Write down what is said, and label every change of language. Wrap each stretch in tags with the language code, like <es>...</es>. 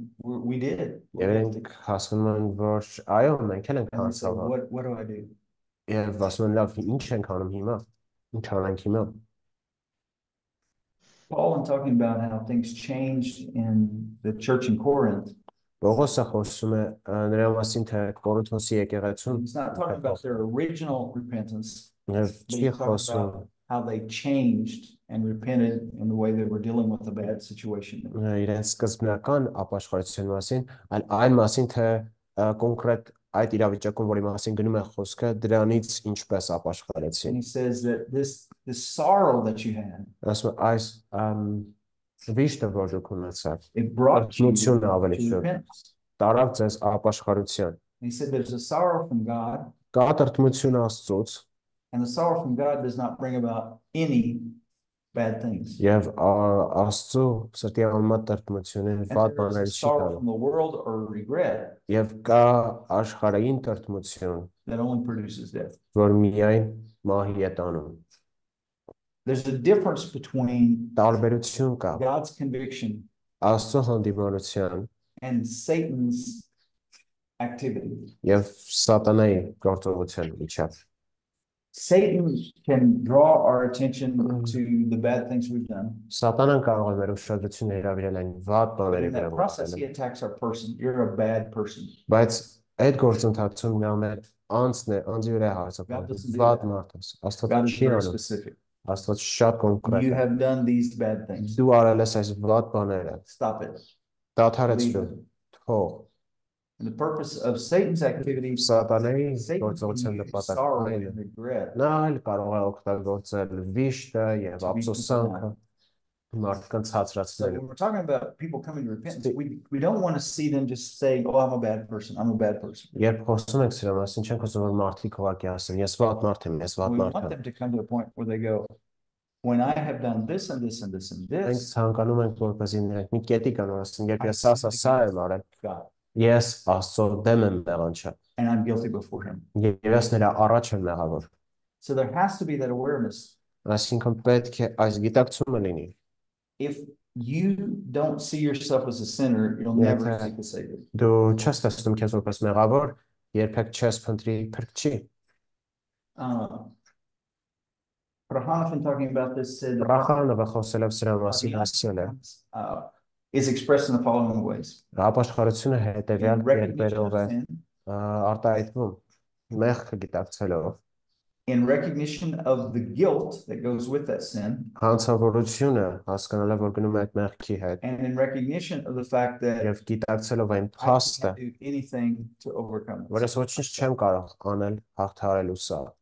<en>we did. What do I do? Paul, in talking about how things changed in the church in Corinth,</en> <hy>Պողոսը խոսում է նրա մասին, թե Կորինթոսի եկեղեցուն</hy> <en>He's not talking about their original repentance.</en> <hy>Չի խոսում</hy> <en>how they changed and repented in the way they were dealing with a bad situation.</en> <hy>Իրենց սկզբնական ապաշխարության մասին, այլ այն մասին, թե կոնկրետ այդ իրավիճակում, որի մասին գնում է խոսքը, դրանից ինչպես ապաշխարեցին։</hy> <en>And he says that this sorrow that you had, that's what I</en> <hy>վիշտը որ դուք ունեցար,</hy> <en>it brought you to repentance.</en> <hy>Տարավ ձեզ ապաշխարության։</hy> <en>And he said there's a sorrow from God,</en> <hy>կատարտմություն Աստծոց,</hy> <en>and the sorrow from God does not bring about any bad things.</en> <hy>Եվ Աստծո սրտի ամատարտմությունը վատ բաներ չի կարող։</hy> <en>From the world or regret.</en> <hy>Եվ կա աշխարհային տարտմություն,</hy> <en>that only produces death.</en> <hy>Որ միայն մահի է տանում։</hy> <en>There's a difference between</en> <hy>տարբերություն կա</hy> <en>God's conviction,</en> <hy>Աստծո հանդիմանության,</hy> <en>and Satan's activity.</en> <hy>Եվ Սատանայի գործողության միջև։</hy> <en>Satan can draw our attention to the bad things we've done.</en> <hy>Սատանան կարող է մեր ուշադրությունը հրավիրել այն վատ բաների վրա։</hy> <en>In that process, he attacks our person. You're a bad person.</en> <hy>Բայց այդ գործընթացում նա մեր անձն է, անձի վրա հարձակվում։ Վատ մարդ ես։ Աստծո չի անում։ Աստծո շատ կոնկրետ։</hy> <en>You have done these bad things.</en> <hy>Դու արել ես այս վատ բաները։</hy> <en>Stop it.</en> <hy>Դադարեցրու։ Թող։</hy> <en>And the purpose of Satan's activity,</en> <hy>Սատանայի գործողության նպատակը, նա այլ կարող է օգտագործել վիշտը եւ ափսոսանքը մարդկանց հացրացնելու։</hy> <en>We're talking about people coming to repentance. We don't want to see them just say, "Oh, I'm a bad person. I'm a bad person."</en> <hy>Երբ խոսում ենք սրա մասին, չենք ուզում որ մարդիկ ուղակի ասեն, ես վատ մարդ եմ, ես վատ մարդ եմ։</hy> <en>We want them to come to a point where they go, when I have done this and this and this and this.</en> <hy>Մենք ցանկանում ենք որպեսզի նրանք մի կետի գան ու ասեն, երբ ես սա սա եմ արել, Yes, Աստծո դեմ եմ մեղանչը։</hy> <en>And I'm guilty before him.</en> <hy>Եվ ես նրա առաջ եմ մեղավոր։</hy> <en>So there has to be that awareness.</en> <hy>Այսինքն պետք է այս գիտակցումը լինի։</hy> <en>If you don't see yourself as a sinner, you'll never seek the Savior.</en> <hy>Դու չես տեսնում քեզ որպես մեղավոր, երբեք չես փնտրի փրկչի։</hy> <en>Rahanovan talking about this said</en> <hy>Rahanova խոսելով սրա մասին ասել է.</hy> <en>Is expressed in the following ways.</en> <hy>Ապաշխարությունը հետևյալ երբերով է արտահայտվում մեղքը գիտակցելով.</hy> <en>In recognition of the guilt that goes with that sin.</en> <hy>Հանցավորությունը հասկանալով որ գնում է այդ մեղքի հետ.</hy> <en>And in recognition of the fact that</en> <hy>Եվ գիտակցելով այն փաստը.</hy> <en>I can't do anything to overcome it.</en> <hy>Որ ես ոչինչ չեմ կարող անել հաղթահարելու սա.</hy>